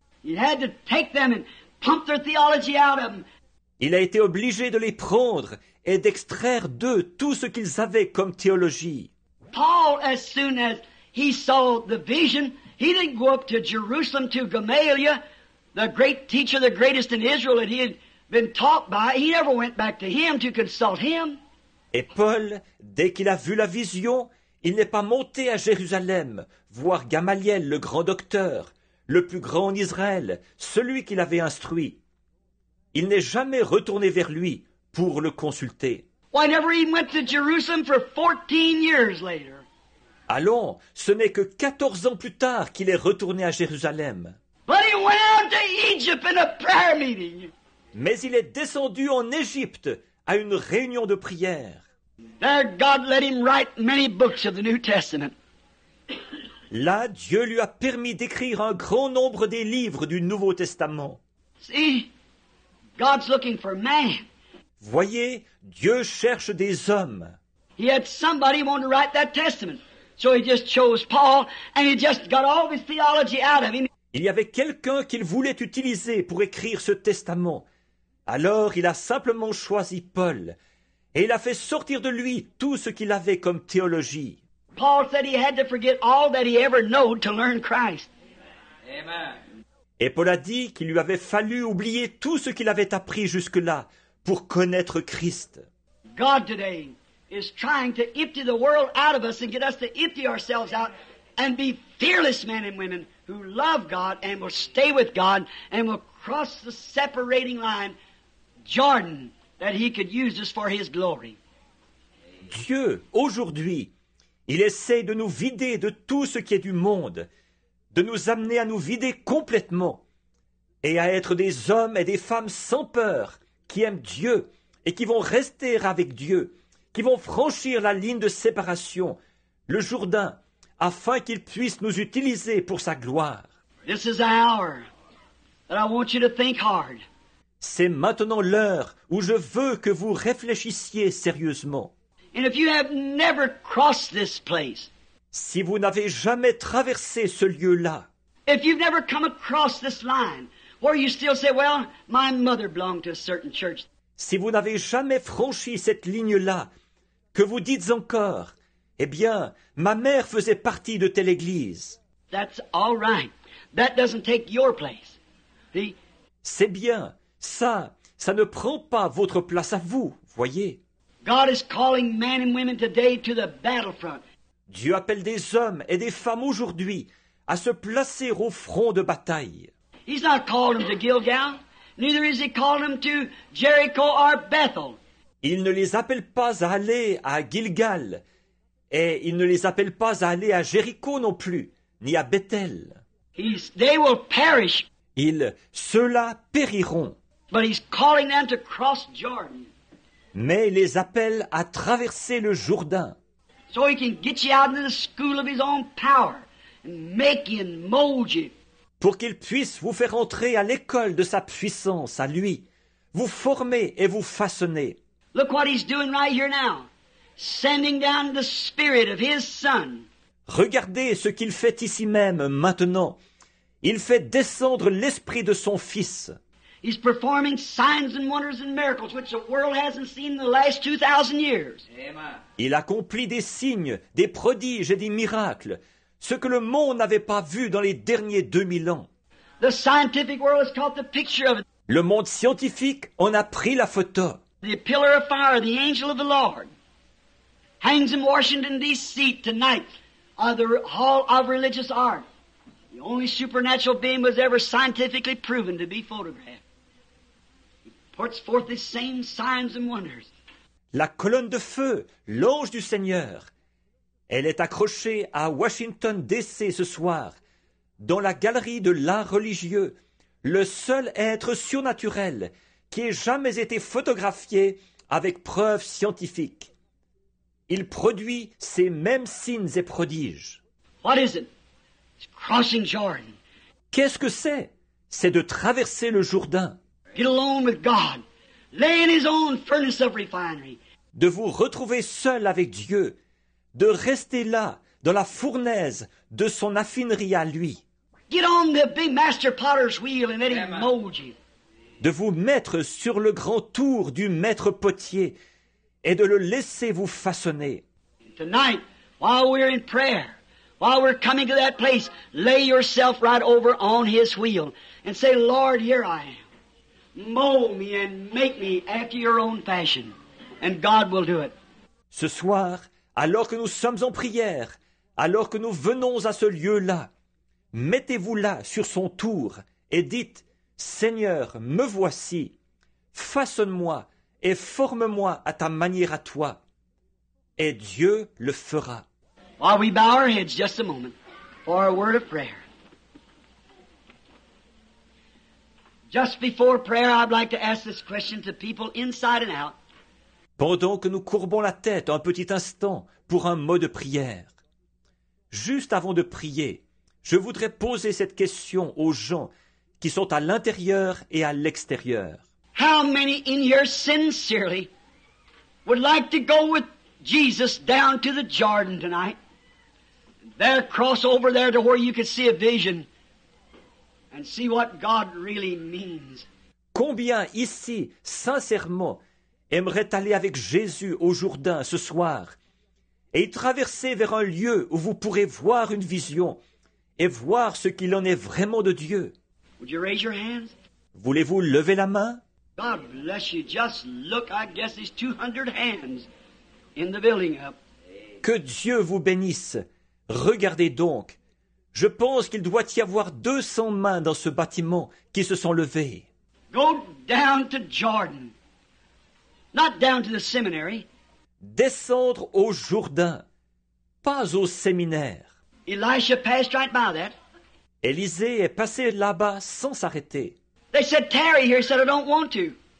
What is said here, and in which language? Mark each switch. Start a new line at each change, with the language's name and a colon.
English: He had to take them and pump their theology out of them.
French: Il a été obligé de les prendre et d'extraire d'eux tout ce qu'ils avaient comme théologie.
English: Paul, as soon as he saw the vision, he didn't go up to Jerusalem to Gamaliel, the great teacher, the greatest in Israel that he had been taught by. He never went back to him to consult him.
French: Et Paul, dès qu'il a vu la vision, il n'est pas monté à Jérusalem voir Gamaliel, le grand docteur, le plus grand en Israël, celui qu'il avait instruit. Il n'est jamais retourné vers lui pour le consulter.
English: Why never he went to Jerusalem for 14 years later?
French: Allons, ce n'est que 14 ans plus tard qu'il est retourné à Jérusalem.
English: But he went out to Egypt in a prayer meeting.
French: Mais il est descendu en Égypte à une réunion de prière.
English: There God let him write many books of the New Testament.
French: Là, Dieu lui a permis d'écrire un grand nombre des livres du Nouveau Testament.
English: See, God's looking for man.
French: Voyez, Dieu cherche des hommes.
English: He had somebody want to write that testament. So he just chose Paul and he just got all his theology out of him.
French: Il y avait quelqu'un qu'il voulait utiliser pour écrire ce testament. Alors il a simplement choisi Paul et il a fait sortir de lui tout ce qu'il avait comme théologie.
English: Paul said he had to forget all that he ever knew to learn Christ. Amen.
French: Et Paul a dit qu'il lui avait fallu oublier tout ce qu'il avait appris jusque-là pour connaître Christ.
English: God today is trying to empty the world out of us and get us to empty ourselves out and be fearless men and women who love God and will stay with God and will cross the separating line, Jordan, that he could use us for his glory.
French: Dieu, aujourd'hui, il essaie de nous vider de tout ce qui est du monde, de nous amener à nous vider complètement et à être des hommes et des femmes sans peur qui aiment Dieu et qui vont rester avec Dieu, qui vont franchir la ligne de séparation, le Jourdain, afin qu'il puisse nous utiliser pour sa gloire.
English: This is an hour that I want you to think hard.
French: C'est maintenant l'heure où je veux que vous réfléchissiez sérieusement.
English: And if you have never crossed this place,
French: si vous n'avez jamais traversé ce lieu-là,
English: if you've never come across this line, where you still say, well, my mother belonged to a certain church,
French: si vous n'avez jamais franchi cette ligne-là, que vous dites encore, eh bien, ma mère faisait partie de telle église,
English: that's all right. That doesn't take your place. See?
French: C'est bien. Ça ne prend pas votre place à vous, voyez.
English: God is calling men and women today to the battlefront.
French: Dieu appelle des hommes et des femmes aujourd'hui à se placer au front de bataille.
English: He's not calling them to Gilgal, neither is he calling them to Jericho or Bethel.
French: Il ne les appelle pas à aller à Gilgal, et il ne les appelle pas à aller à Jéricho non plus, ni à Bethel.
English: They will perish.
French: Ils, ceux-là, périront.
English: But he's calling them to cross Jordan.
French: Mais il les appelle à traverser le Jourdain.
English: So he can get you out of the school of his own power and make you and mold you.
French: Pour qu'il puisse vous faire entrer à l'école de sa puissance, à lui, vous former et vous façonner.
English: Look what he's doing right here now, sending down the spirit of his son.
French: Regardez ce qu'il fait ici même, maintenant. Il fait descendre l'esprit de son fils.
English: He's performing signs and wonders and miracles which the world hasn't seen in the last 2,000 years. Amen.
French: Il accomplit des signes, des prodiges et des miracles, ce que le monde n'avait pas vu dans les derniers 2000 ans.
English: The scientific world has caught the picture of it.
French: Le monde scientifique en a pris la photo.
English: The pillar of fire, the angel of the Lord, hangs in Washington D.C. tonight on the Hall of Religious Art. The only supernatural being was ever scientifically proven to be photographed. He puts forth the same signs and wonders.
French: La colonne de feu, l'ange du Seigneur, elle est accrochée à Washington D.C. ce soir, dans la galerie de l'art religieux, le seul être surnaturel qui ait jamais été photographié avec preuves scientifiques. Il produit ces mêmes signes et prodiges.
English: What is it? It's crossing Jordan.
French: Qu'est-ce que c'est? C'est de traverser le Jourdain.
English: Get alone with God. Lay in his own furnace of refinery.
French: De vous retrouver seul avec Dieu, de rester là, dans la fournaise de son affinerie à lui.
English: Get on the big master potter's wheel and let him mold you.
French: De vous mettre sur le grand tour du maître potier et de le laisser vous façonner.
English: Tonight, while we're in prayer, while we're coming to that place, lay yourself right over on his wheel and say, Lord, here I am. Mold me and make me after your own fashion, and God will do it.
French: Ce soir, alors que nous sommes en prière, alors que nous venons à ce lieu-là, mettez-vous là sur son tour et dites, Seigneur, me voici, façonne-moi et forme-moi à ta manière à toi. Et Dieu le fera.
English: While we bow our heads just a moment for a word of prayer. Just before prayer, I'd like to ask this question to people inside and out.
French: Pendant que nous courbons la tête un petit instant pour un mot de prière, juste avant de prier, je voudrais poser cette question aux gens qui sont à l'intérieur et à l'extérieur.
English: How many in here sincerely would like to go with Jesus down to the Jordan tonight? There, cross over there to where you could see a vision and see what God really means.
French: Combien ici, sincèrement, aimeraient aller avec Jésus au Jourdain ce soir et traverser vers un lieu où vous pourrez voir une vision et voir ce qu'il en est vraiment de Dieu?
English: Would you raise your hands?
French: Voulez-vous lever la main?
English: God bless you. Just look, I guess there's 200 hands in the building up.
French: Que Dieu vous bénisse. Regardez donc. Je pense qu'il doit y avoir 200 mains dans ce bâtiment qui se sont levées.
English: Go down to Jordan. Not down to the seminary.
French: Descendre au Jourdain, pas au séminaire.
English: Elisha passed right by that.
French: Élisée est passé là-bas sans s'arrêter.
English: They said, "Tarry here." He said, "I don't want to."